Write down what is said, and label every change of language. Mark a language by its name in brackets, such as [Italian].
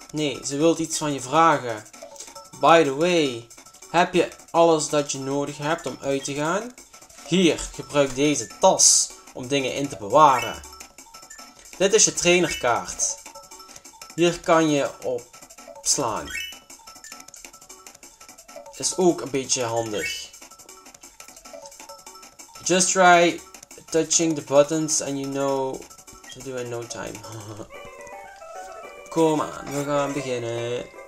[Dutch] Nee, ze wilt iets van je vragen. [English] By the way, [Dutch] heb je alles dat je nodig hebt om uit te gaan? Hier, gebruik deze tas om dingen in te bewaren. Dit is je trainerkaart. Hier kan je op slaan. Is ook een beetje handig. [English] Just try touching the buttons and you know to do in no time. [Dutch] Kom aan, we gaan beginnen.